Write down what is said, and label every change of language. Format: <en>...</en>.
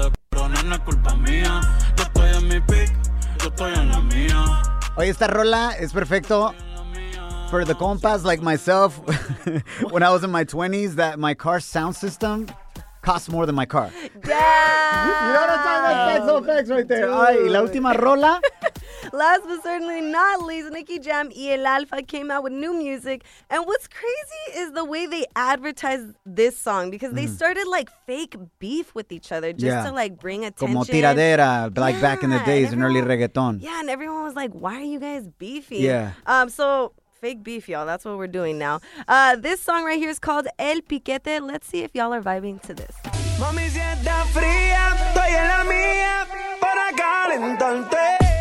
<es>Pero no es culpa mía. Yo estoy en mi pick, yo estoy en la mía. Oye, esta rola es perfecto</es> <en>for the compas like myself. When I was in my 20s, that my car sound system costs more than my car. Damn. You know what I'm talking about? Facts on facts right there. Dude. All right,</en> <es>y la última rola.</es> <en>Last but certainly not least, Nicki Jam y El Alfa came out with new music. And what's crazy is the way they advertised this song, because they started like fake beef with each other just to like bring attention.</en> <es>Como tiradera,</es> <en>like back in the days in early reggaeton. Yeah, and everyone was like, why are you guys beefy? Yeah. So fake beef, y'all. That's what we're doing now. This song right here is called El Piquete. Let's see if y'all are vibing to this.</en> <es>Mami, si está fría, estoy en la mía para calentarte.</es>